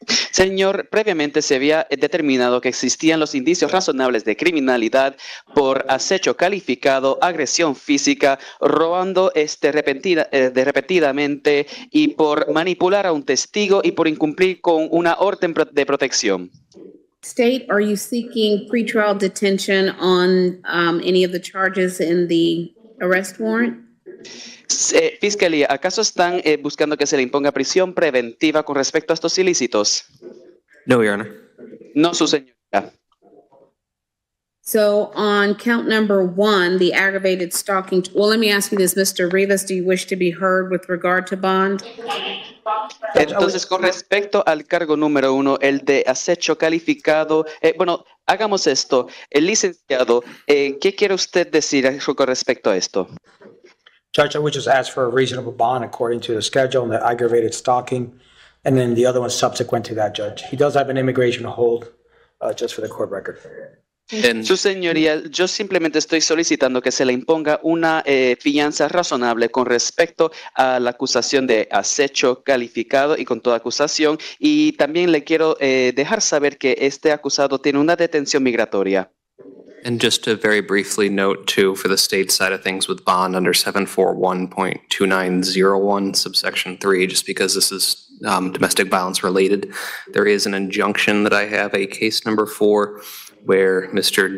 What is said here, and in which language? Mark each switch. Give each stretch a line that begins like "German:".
Spanish: Señor, previamente se había determinado que existían los indicios razonables de criminalidad por acecho calificado, agresión física, robando repetidamente y por manipular a un testigo y por incumplir con una orden de protección.
English: State, are you seeking pretrial detention on any of the charges in the arrest warrant?
Spanish: Fiscalía, ¿acaso están buscando que se le imponga prisión preventiva con respecto a estos ilícitos?
English: No, Your Honor.
Spanish: No, su señoría.
English: So, on count number one, the aggravated stalking, well, let me ask you this, Mr. Rivas, do you wish to be heard with regard to bond?
Spanish: Entonces, con respecto al cargo número uno, el de acecho calificado, bueno, hagamos esto. Licenciado, ¿qué quiere usted decir con respecto a esto?
English: Judge, I would just ask for a reasonable bond according to the schedule and the aggravated stalking, and then the other one subsequent to that, Judge. He does have an immigration hold, just for the court record.
Spanish: Su señoría, yo simplemente estoy solicitando que se le imponga una fianza razonable con respecto a la acusación de acecho calificado y con toda acusación, y también le quiero dejar saber que este acusado tiene una detención migratoria.
English: And just to very briefly note, too, for the state side of things with bond under 741.2901, subsection 3, just because this is domestic violence related, there is an injunction that I have, a case number 4, where Mr.